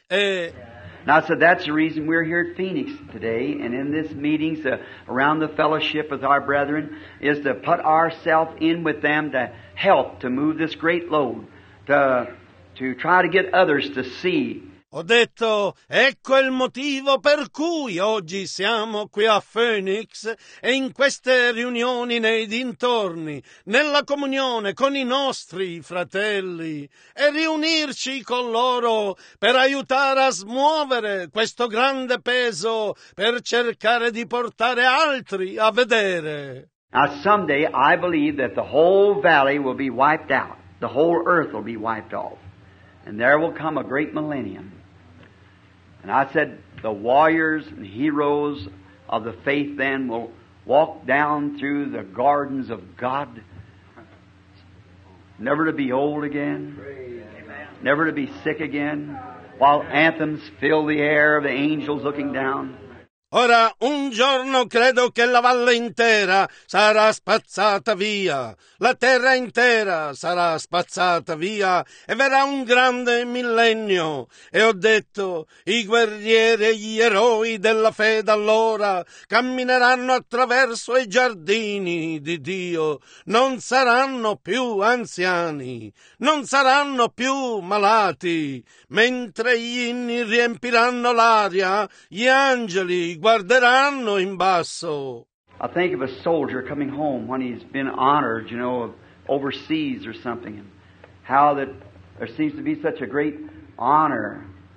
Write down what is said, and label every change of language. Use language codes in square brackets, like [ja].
[it] E... [en] Now, so that's the reason we're here at Phoenix today, and in this meeting, so around the fellowship with our brethren, is to put ourselves in with them to help to move this great load, to try to get others to see. [it] Ho detto, ecco il motivo per cui oggi siamo qui a Phoenix e in queste riunioni nei dintorni, nella comunione con i nostri fratelli, e riunirci con loro per aiutare a smuovere questo grande peso, per cercare di portare altri a vedere. [en] Now, someday I believe that the whole valley will be wiped out, the whole earth will be wiped off, and there will come a great millennium. And I said, the warriors and heroes of the faith then will walk down through the gardens of God, never to be old again, never to be sick again, while anthems fill the air of the angels looking down. [it] Ora, un giorno credo che la valle intera sarà spazzata via, la terra intera sarà spazzata via e verrà un grande millennio. E ho detto, i guerrieri e gli eroi della fede allora cammineranno attraverso i giardini di Dio, non saranno più anziani, non saranno più malati, mentre gli inni riempiranno l'aria, gli angeli guarderanno in basso. [en] I think of a soldier coming home when he's been honored, you know, overseas or something, and how that there seems to be such a great honor.